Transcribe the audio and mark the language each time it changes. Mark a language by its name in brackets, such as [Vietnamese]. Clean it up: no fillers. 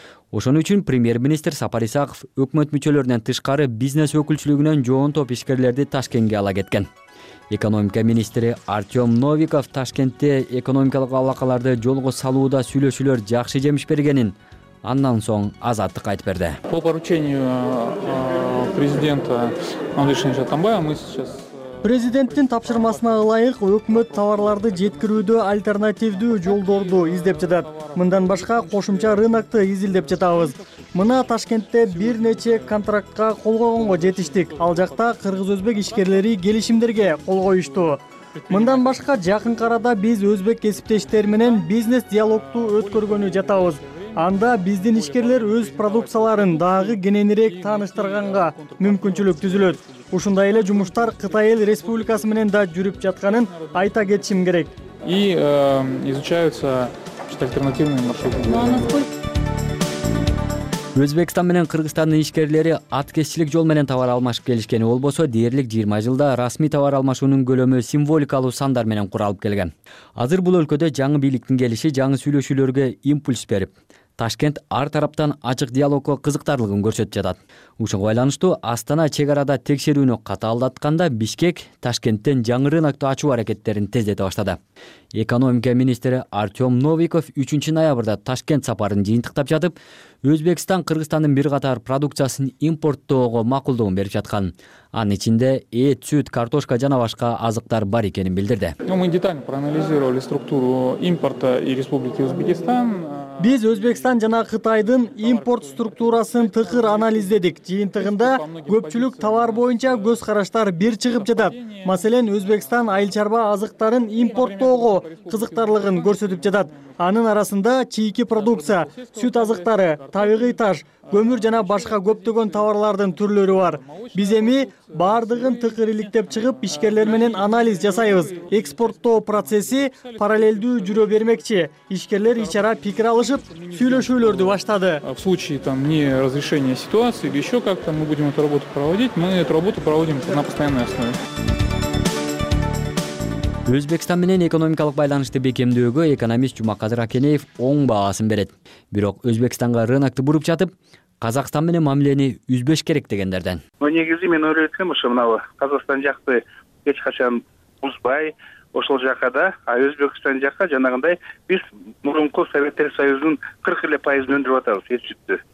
[Kyrgyz] Ошон үчүн премьер-министр Сапар Исаков өкмөт мүчөлөрүнөн тышкары бизнес өкүлчүлүгүнөн жоон топ ишкерлерди Ташкентке ала кеткен. Экономика министри Артём Новиков Ташкентте экономикалык алакаларды жолго салууда сүйлөшүүлөр жакшы жемиш бергенин, андан соң азаттык айтып берди. [Russian] По поручению президента Алишера Атамбаева мы сейчас [Kyrgyz] Президенттин тапшырмасына ылайык өкмөт товарларды жеткирүүдө альтернативдүү жолдорду издеп жатат. Мындан башка кошумча рынокту изилдеп жатабыз. Мына Ташкентте бир нече контрактка кол койгонго жетиштик. Ал жакта кыргыз-өзбек ишкерлери келишимдерге кол коюшту. Мындан башка жакынкы арада биз өзбек кесиптештери менен бизнес диалогту өткөргөнү жатабыз. Анда биздин ишкерлер өз продукцияларын дагы кененирээк тааныштырганга мүмкүнчүлүк түзүлөт. Ушундай эле жумуштар Кытай Эл Республикасы менен да жүрүп жатканын айта кетишим керек. [Russian] И изучаются альтернативные маршруты. [Kyrgyz] Өзбекстан менен Кыргызстандын ишкерлери аткезчилик жол менен товар алмашып келишкени болбосо, дээрлик 20 жылда расмий товар алмашуунун көлөмү символикалуу сандар менен куралып келген. Азыр бул өлкөдө жаңы бийликтин келиши жаңы сүйлөшүүлөргө импульс берип, Ташкент ар тараптан ачык диалогко кызыктарлыгын көрсөтүп жатат. Ушуга байланыштуу Астана чек арада текшерүүнү катаалдатканда Бишкек Ташкенттен жаңы рынокту ачуу аракеттерин тездете баштады. Экономика министри Артём Новиков 3 ноябрда Ташкент сапарын жыйынтыктап жатып, Өзбекстан Кыргызстандын бир катар продукциясын импорттоого макулдугун берип жаткан. Анын ичинде эт, сүт, картошка жана башка азыктар бар экенин билдирди. [Russian] Мы детально проанализировали структуру импорта и Республики Узбекистан. [Kyrgyz] Биз Өзбекстан жана Кытайдын импорт структурасын тыкыр анализдедик. Жыйынтыгында көпчүлүк товар боюнча көз караштар бир чыгып жатат. Маселен, Өзбекстан айыл чарба азыктарын импорттоого кызыктарлыгын көрсөтүп жатат. Анын арасында чийки продукция, сүт азыктары, табигый таш, көмүр жана башка көптөгөн товарлардын түрлөрү бар. Биз эми бардыгын тыкыр иликтеп чыгып, ишкерлер менен анализ жасайбыз. Экспорттоо процесси параллелдүү жүрө бермекчи. Ишкерлер ичара пикир алышып, сүйлөшүүлөрдү баштады. [Russian] В случае там не разрешения ситуации или ещё как-то мы будем эту работу проводить. Мы эту работу проводим на постоянной основе. [Kyrgyz] Өзбекстан менен экономикалык байланышты бекемдөөгө экономист Жумаказыр Акенеев оң баасын берет. Бирок Өзбекстанга рынокту буруп жатып, Казакстан менен мамилени үзбөш керек дегендерден. Негизи мен ойлойм, ушу мынау Казакстан жакты эч качан узбай, ошол жака да, а Өзбекстан жака жанагындай биз мурунку Советтер Союзунун 40% өндүрүп атабыз эт сүттү.